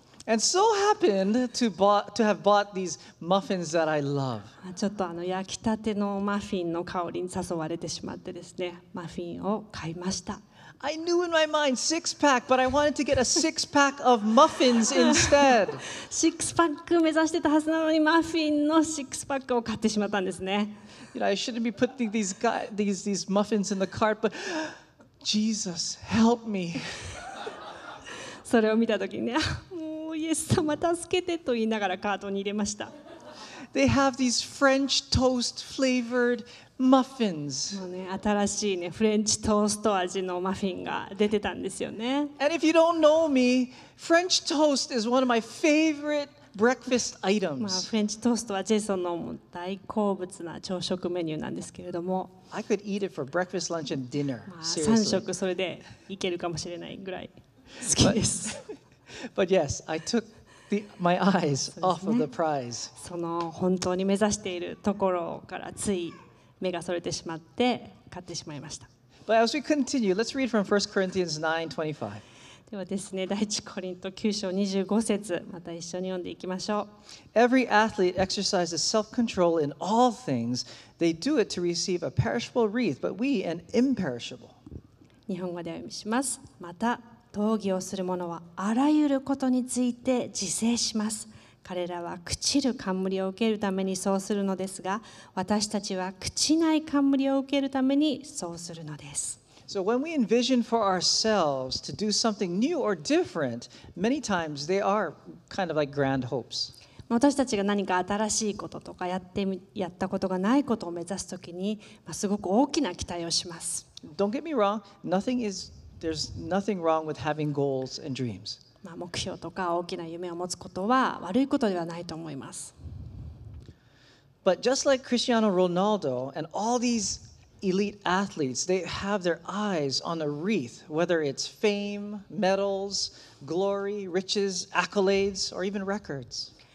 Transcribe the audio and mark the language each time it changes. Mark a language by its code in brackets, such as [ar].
[en] And so happened to have bought these muffins that I love. [ja] ちょっとあの焼きたてのマフィンの香りに誘われてしまってですね、マフィンを買いました。 [en] I knew in my mind six pack, but I wanted to get a six pack of muffins instead. [ja] Six pack 目指してたはずなのにマフィンの six pack を買ってしまったんですね。 [en] You know, I shouldn't be putting these muffins in the cart, but Jesus, help me. [ja] それを見た時にね、もうイエス様助けてと言いながらカートに入れました。 [en] They have these French toast flavored muffins. [ja] もうね、新しいね、フレンチトースト味のマフィンが出てたんですよね。 [en] And if you don't know me, French toast is one of my favorite breakfast items. [ja] まあ、フレンチトーストはジェイソンの大好物な朝食メニューなんですけれども。 [en] I could eat it for breakfast, lunch, and dinner. Seriously. [ja] まあ、3食それでいけるかもしれないぐらい好きです。 [en] But yes, I took my eyes off of the prize. [ja] その本当に目指しているところからつい目がそれてしまって買ってしまいました。 [en] But as we continue, let's read from 1 Corinthians 9:25. [ja] ではですね、第一コリント9章25節、また一緒に読んでいきましょう。 [en] Every athlete exercises self-control in all things. They do it to receive a perishable wreath, but we an imperishable. [ja] 日本語で読みします。また、闘技をする者はあらゆることについて自制します。彼らは朽ちる冠を受けるためにそうするのですが、私たちは朽ちない冠を受けるためにそうするのです。 [en] So when we envision for ourselves to do something new or different, many times they are kind of like grand hopes. [ja] 私たちが何か新しいこととかやったことがないことを目指すときに、まあ、すごく大きな期待をします。 [en] Don't get me wrong. There's nothing wrong with having goals and dreams. [ja] まあ目標とか大きな夢を持つことは悪いことではないと思います。 [en] But just like Cristiano Ronaldo and all theseElite athletes, they have their eyes on a wreath, whether it's fame, medals, glory, riches, accolades, or even records.